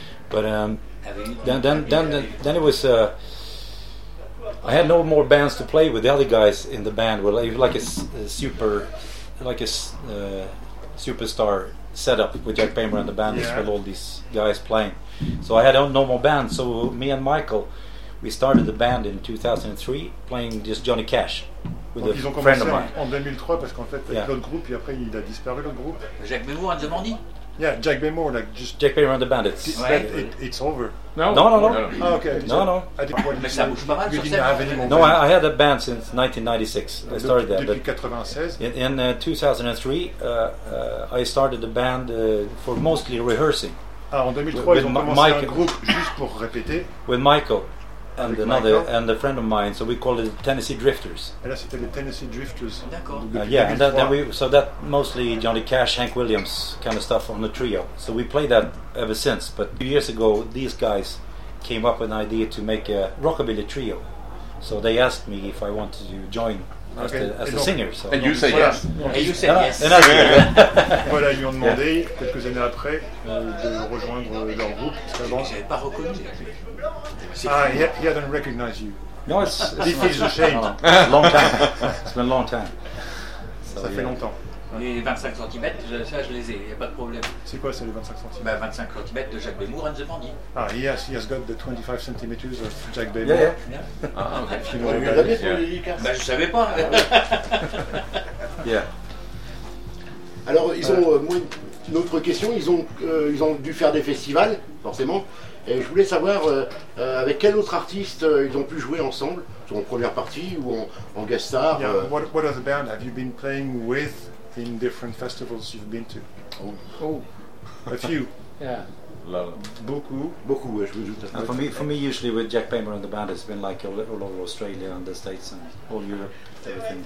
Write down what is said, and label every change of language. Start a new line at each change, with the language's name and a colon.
English: But then it was. I had no more bands to play with. The other guys in the band were superstar setup with Jack Paymer and the Bandits, yeah, with all these guys playing. So I had no more band. So me and Michael, we started the band in 2003, playing just Johnny Cash with a friend of mine.
French: En 2003, parce qu'en fait, yeah, l'autre groupe, et après il a disparu l'autre groupe.
English: Jack Paymer and the Bandits. Yeah, Jack Paymer, like just Jack Paymer and the Bandits. It's over. No. Oh, okay. No. I didn't. But that moves
French: pas mal.
English: You didn't have any more. No, I had a band since 1996. I started that.
French: Depuis 96.
English: In 2003, I started the band for mostly rehearsing.
French: Ah, en 2003, ils ont commencé un groupe juste pour répéter.
English: With Michael and another and a friend of mine, so we call it Tennessee Drifters.
French: Et là, c'était les Tennessee Drifters. D'accord.
English: Yeah, and then we, so that mostly Johnny Cash, Hank Williams kind of stuff on the trio. So we played that ever since. But 2 years ago, these guys came up with an idea to make a rockabilly trio. So they asked me if I wanted to join as a singer. So. And you said yes. And you said yes. And I said yes.
French: Voilà, ils ont demandé quelques années après de rejoindre leur groupe. J'avais pas reconnu.
English: He hasn't recognized you. No, it's this is a shame. Long time. It's been a long time.
French: So, ça fait longtemps. Les 25 cm, ça je les ai, il n'y a pas de problème. C'est quoi ça, les 25 cm? Bah, 25 cm de Jack Paymer and the Bandits.
English: Ah, yes, he has got the 25 cm of Jack Paymer. Yeah, yeah.
French: Ah, okay. Vous l'avez pour les dédicaces? Bah, je ne savais pas. Ah, oui. Yeah. Alors, ils ont, une autre question, ils ont dû faire des festivals, forcément. Et je voulais savoir avec quel autre artiste ils ont pu jouer ensemble, soit en première partie ou en guest star.
English: Yeah, what other band have you been playing with in different festivals you've been to? Oh. A few. Yeah.
French: Beaucoup, je vous doute.
English: For me, usually with Jack Paymer and the band, it's been like all over Australia and the States and all Europe, everything.